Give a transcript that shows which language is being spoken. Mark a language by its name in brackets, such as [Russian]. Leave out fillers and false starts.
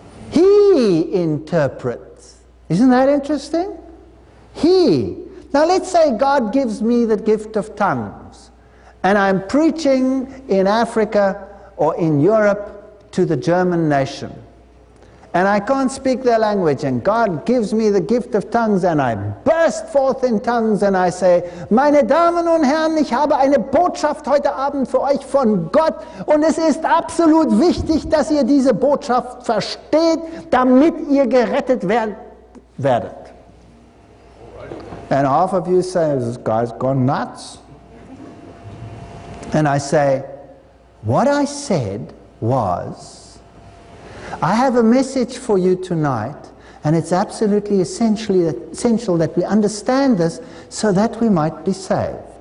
[English] He interprets. Isn't that interesting? He. Now let's say God gives me the gift of tongues. And I'm preaching in Africa or in Europe to the German nation. [German] And I can't speak their language, and God gives me the gift of tongues, and I burst forth in tongues, and I say, Meine Damen und Herren, ich habe eine Botschaft heute Abend für euch von Gott, und es ist absolut wichtig, dass ihr diese Botschaft versteht, damit ihr gerettet werdet. [English] And half of you say, this guy's gone nuts. And I say, what I said was, I have a message for you tonight, and it's absolutely essential that we understand this so that we might be saved.